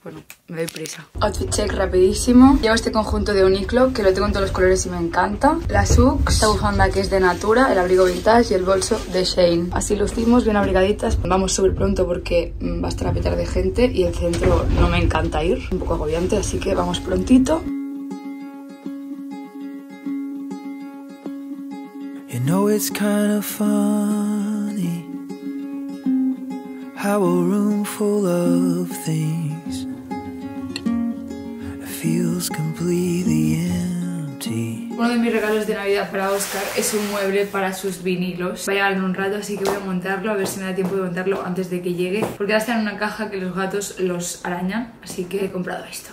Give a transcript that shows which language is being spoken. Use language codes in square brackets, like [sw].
[es] Bueno, me doy prisa. Outfit check rapidísimo. Llevo este conjunto de Uniqlo, que lo tengo en todos los colores y me encanta. La Sux, esta bufanda que es de Natura, el abrigo vintage y el bolso de Shein. Así lucimos, bien abrigaditas. Vamos súper pronto porque va a estar a petar de gente y el centro no me encanta ir. Un poco agobiante, así que vamos prontito. [en] You know it's kind of funny how a room full of things feels completely empty. [es] Uno de mis regalos de Navidad para Oscar es un mueble para sus vinilos. Va a llegar en un rato, así que voy a montarlo, a ver si me da tiempo de montarlo antes de que llegue. Porque ahora está en una caja que los gatos los arañan, así que he comprado esto.